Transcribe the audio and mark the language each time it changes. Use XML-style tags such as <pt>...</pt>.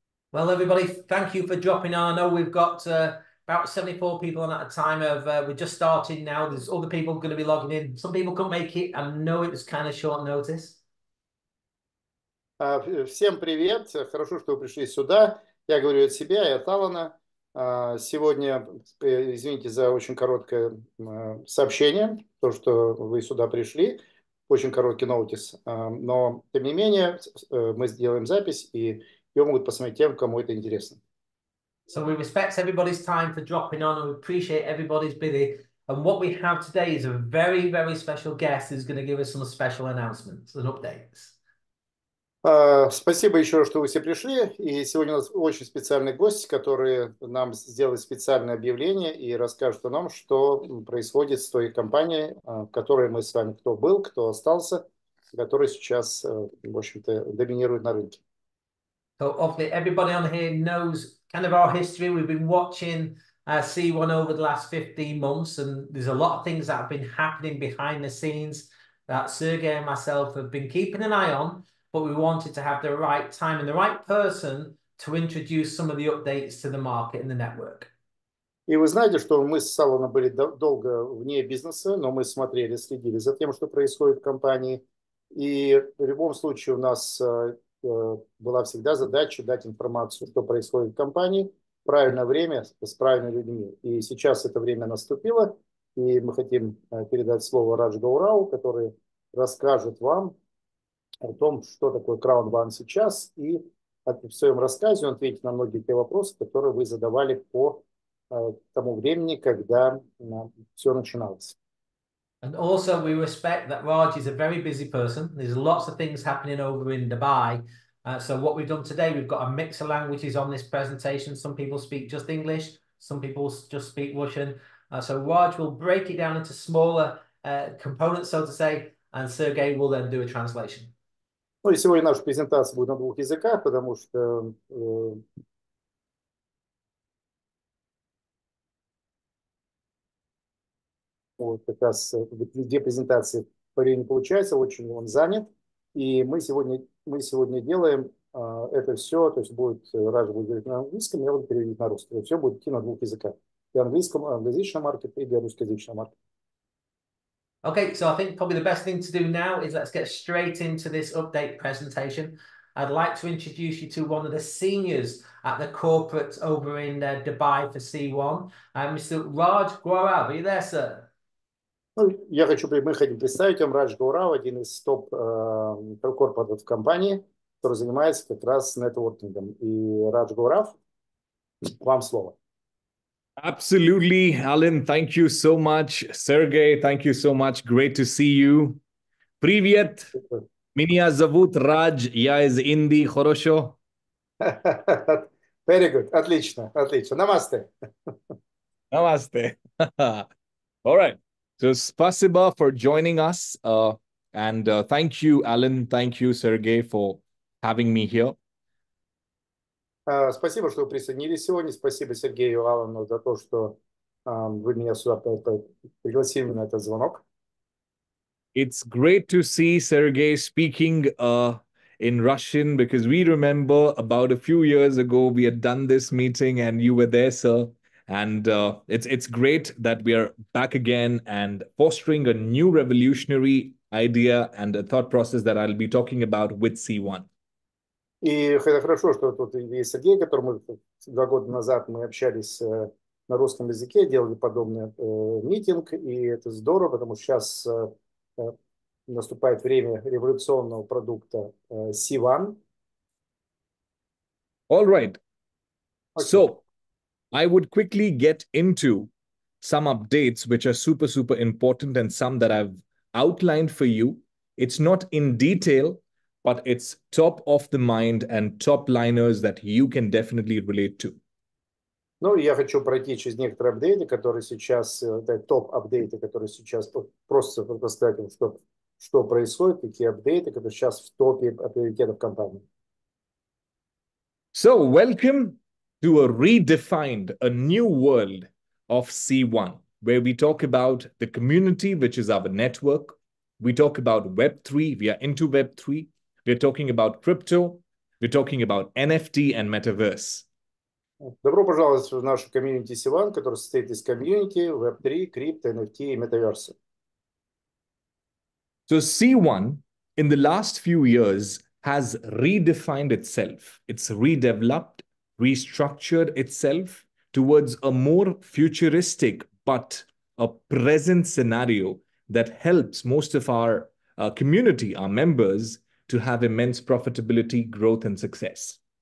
<en>Well, everybody, thank you for dropping on. I know we've got about 74 people on at a time of we're just starting now. There's other people going to be logging in. Some people couldn't make it. I know it was kind of short notice.</en> <ru>Всем привет! Хорошо, что вы пришли сюда. Я говорю от себя и от Алана. Сегодня, извините за очень короткое сообщение, то, что вы сюда пришли, очень короткий ноутис, но, тем не менее, мы сделаем запись, и ее могут посмотреть тем, кому это интересно.</ru> <en>So we respect everybody's time for dropping on, and we appreciate everybody's busy. And what we have today is a very, very special guest who's going to give us some special announcements and updates.</en> <ru>Спасибо еще раз, что вы все пришли. И сегодня у нас очень специальный гость, который нам сделает специальное объявление и расскажет о том, что происходит с той компанией, в которой мы с вами, кто был, кто остался, который сейчас, в общем-то, доминирует на рынке.</ru> <en>So hopefully everybody on here knows kind of our history. We've been watching C1 over the last 15 months, and there's a lot of things that have been happening behind the scenes that Sergey and myself have been keeping an eye on, but we wanted to have the right time and the right person to introduce some of the updates to the market and the network.</en> <ru>И вы знаете, что мы с Салоном были долго вне бизнеса, но мы смотрели, следили за тем, что происходит в компании. И в любом случае у нас была всегда задача дать информацию, что происходит в компании, в правильное время, с правильными людьми. И сейчас это время наступило, и мы хотим передать слово Радж Гаурау, который расскажет вам о том, что такое краудфандинг сейчас. И в своем рассказе он ответит на многие те вопросы, которые вы задавали по тому времени, когда все начиналось.</ru> <en>And also, we respect that Raj is a very busy person. There's lots of things happening over in Dubai. So what we've done today, we've got a mix of languages on this presentation. Some people speak just English, some people just speak Russian. So Raj will break it down into smaller components, so to say, and Sergey will then do a translation.</en> <ru>Ну и сегодня наша презентация будет на двух языках, потому что вот как раз две презентации по времени получается, очень он занят. И мы сегодня делаем это все, то есть будет Раджа будет говорить на английском, я буду переводить на русский. Все будет идти на двух языках. Для английского, англоязычного маркета и для русскоязычного маркета.</ru> <en>Okay, so I think probably the best thing to do now is let's get straight into this update presentation. I'd like to introduce you to one of the seniors at the corporate over in Dubai for C1. Mr. Raj Gaurav, are you there, sir?</en> <ru>Ну, я хочу, мы хотим представить вам Радж Гаурау, один из топ-корпоратов компании, который занимается как раз нетворкингом. И Радж Гаурау, вам слово.</ru> <en>Absolutely, Alan. Thank you so much. Sergey, thank you so much. Great to see you.</en> <ru>Привет. Меня зовут Радж. Я из Индии. Хорошо.</ru> <en>Very good.</en> <ru>Отлично, отлично. Намасте.</ru> <en>Намасте. All right. So,</en> <ru>спасибо</ru> <en>for joining us. Thank you, Alan. Thank you, Sergey, for having me here.</en> <ru>Спасибо, что вы присоединились сегодня. Спасибо Сергею Алану за то, что вы меня сюда пригласили на этот звонок.</ru> <en>It's great to see Sergey speaking in Russian because we remember about a few years ago we had done this meeting and you were there, sir. And it's great that we are back again and fostering a new revolutionary idea and a thought process that I'll be talking about with C1.</en> <ru>И это хорошо, что тут есть Сергей, которому 2 года назад мы общались на русском языке, делали подобный митинг, и это здорово, потому что сейчас наступает время революционного продукта Сиван.</ru> <en>All right.</en> <ru>Окей.</ru> <en>So I would quickly get into some updates which are super, super important and some that I've outlined for you. It's not in detail, but it's top of the mind and top liners that you can definitely relate to.</en> <ru>Ну, я хочу пройти через некоторые апдейты, которые сейчас, это топ-апдейты, которые сейчас просто предоставим, что происходит, какие апдейты, которые сейчас в топе приоритетов компании.</ru> <en>So, welcome to a redefined, a new world of C1. where we talk about the community, which is our network. We talk about Web3. We are into Web3. We're talking about crypto. We're talking about NFT and metaverse.</en> <ru>Добро пожаловать в нашу комьюнити Сиван, которая состоит из комьюнити Web3, крипто, NFT и метаверса.</ru> <en>So C1 in the last few years has redefined itself. It's redeveloped, restructured itself towards a more futuristic but a present scenario that helps most of our community, our members, to have immense profitability, growth, and success.</en>